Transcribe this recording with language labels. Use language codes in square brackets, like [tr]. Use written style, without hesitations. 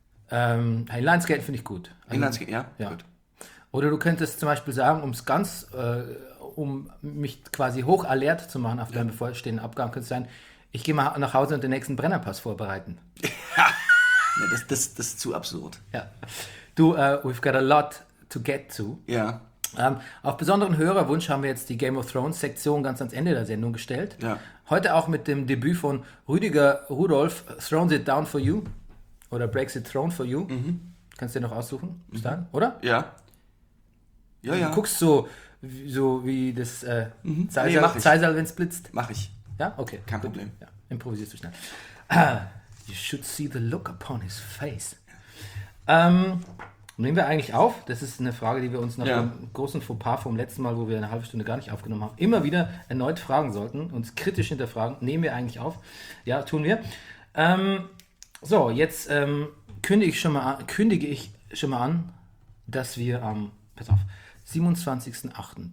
[de] Inline-Skaten finde ich gut. Also, Inline-Skaten, ja? Ja. Gut. Oder du könntest zum Beispiel sagen, um es ganz... um mich quasi hoch alert zu machen auf deinem bevorstehenden Abgang, könnte sein, ich gehe mal nach Hause und den nächsten Brennerpass vorbereiten. Ja, das ist zu absurd. Ja. Du, [en] we've got a lot to get to. [de] Ja. Auf besonderen Hörerwunsch haben wir jetzt die Game of Thrones-Sektion ganz ans Ende der Sendung gestellt. Ja. Heute auch mit dem Debüt von Rüdiger Rudolf, Thrones It Down For You oder Breaks It Throne For You. Mhm. Kannst du dir noch aussuchen, Stan, oder? Ja. Ja, ja. Du guckst so wie das Zeisel, wenn es blitzt. Mach ich. Ja, okay. Kein Problem. Ja. Improvisierst du schnell. [en] You should see the look upon his face. [de] Nehmen wir eigentlich auf? Das ist eine Frage, die wir uns nach dem großen Fauxpas vom letzten Mal, wo wir eine halbe Stunde gar nicht aufgenommen haben, immer wieder erneut fragen sollten, uns kritisch hinterfragen. Nehmen wir eigentlich auf? Ja, tun wir. So, jetzt kündige ich schon mal an, dass wir am 27.08.